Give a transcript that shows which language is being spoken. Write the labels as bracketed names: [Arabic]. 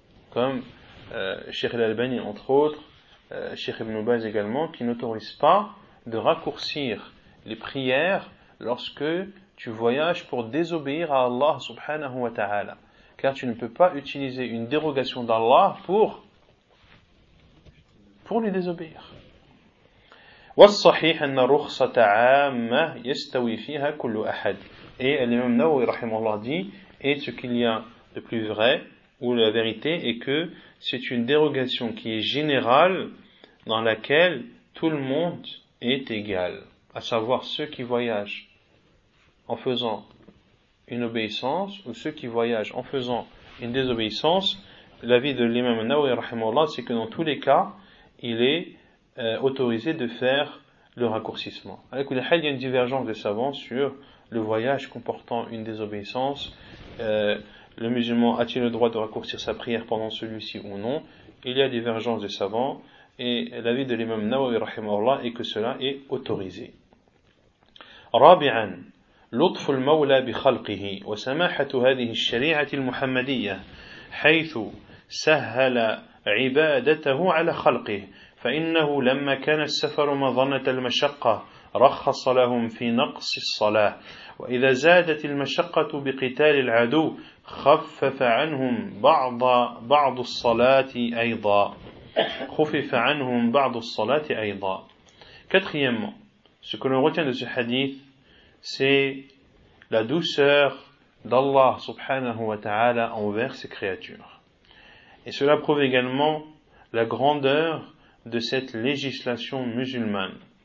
[French] Comme Cheikh Al-Albani, entre autres, Cheikh Ibn Baz également, qui n'autorisent pas de raccourcir les prières lorsque tu voyages pour désobéir à Allah subhanahu wa ta'ala. Car tu ne peux pas utiliser une dérogation d'Allah pour lui désobéir. [Arabic] والصحيح أن رخصة عامة يستوي فيها كل أحد. [French] Et l'imam Nawawi rahimahullah dit, et ce qu'il y a de plus vrai, ou la vérité, est que c'est une dérogation qui est générale, dans laquelle tout le monde est égal. À savoir ceux qui voyagent en faisant une obéissance, ou ceux qui voyagent en faisant une désobéissance. L'avis de l'imam Nawawi rahimahullah, c'est que dans tous les cas, il est autorisé de faire le raccourcissement. Avec le hal, il y a une divergence des savants sur le voyage comportant une désobéissance. Le musulman a-t-il le droit de raccourcir sa prière pendant celui-ci ou non? Il y a divergence des savants. Et l'avis de l'imam Nawawi rahimahullah est que cela est autorisé. [Arabic] Rabi'an, lutful mawla bi khalqihi wa samahatu hadhihi shari'ati al-muhammadiyya haythu sahala عبادته على خلقه فإنه لما كان السفر مظنة المشقة رخص لهم في نقص الصلاة وإذا زادت المشقة بقتال العدو خفف عنهم بعض الصلاة أيضا خفف عنهم بعض الصلاة أيضا. [French] Quatrièmement, ce que l'on retient de ce hadith, c'est la douceur d'Allah subhanahu wa ta'ala envers ses créatures. Et cela prouve également la grandeur de cette législation musulmane.